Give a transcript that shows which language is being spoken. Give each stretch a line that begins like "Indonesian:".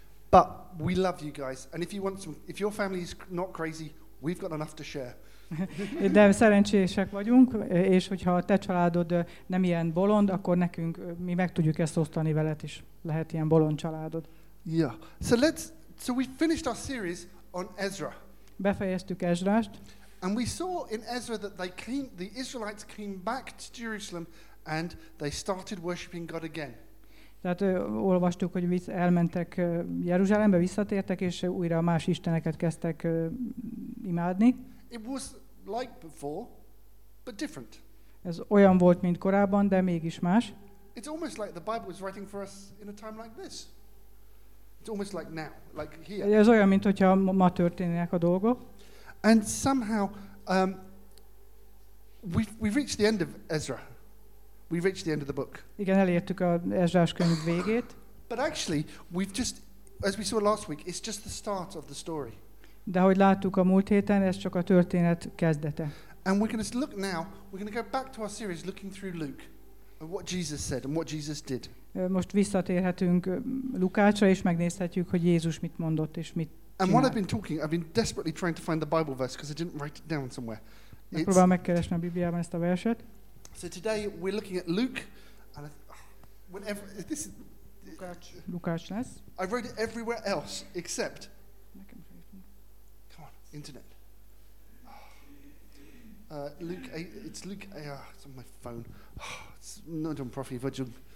English: But we love you guys, and if you want some, if your family is not crazy, we've got enough to share.
Hungarian: De szerencsések vagyunk, és hogyha a te családod nem ilyen bolond, akkor nekünk, mi meg tudjuk ezt osztani veled is, lehet ilyen bolond családod.
English: Yeah, so we finished our series on Ezra.
Hungarian: Befejeztük Ezrást.
English: And we saw in Ezra that they came, the Israelites came back to Jerusalem, and they started worshiping God again.
Hungarian: Tehát olvastuk, hogy elmentek Jeruzsálembe, visszatértek, és újra más isteneket kezdtek imádni.
English: It was like before, but different.
Hungarian: Ez olyan volt, mint korábban, de mégis más.
English: It's almost like the Bible is writing for us in a time like this. It's almost like now, like here.
Hungarian: Ez olyan, mint hogyha ma történnek a dolgok.
English: And somehow, we've reached the end of Ezra. We've reached the end of the book.
Hungarian: Igen, elértük a Ezrás könyv végét.
English: But actually, we've just, as we saw last week, it's just the start of the story.
Hungarian: De ahogy láttuk a múlt héten, ez csak a történet kezdete.
English: And we're going to look now, we're going to go back to our series looking through Luke, of what Jesus said and what Jesus did.
Hungarian: Most visszatérhetünk Lukácsra, és megnézhetjük, hogy Jézus mit mondott, és mit csinált.
English: And while I've been talking, I've been desperately trying to find the Bible verse, because I didn't write it down somewhere.
Hungarian: Megpróbálom megkeresni a Bibliában ezt a verset.
English: So today we're looking at Luke, and whenever, this is...
Hungarian: Lukács lesz.
English: I wrote it everywhere else, except... Internet. Luke, it's Luke. It's on my phone. It's not on Profi Vajun.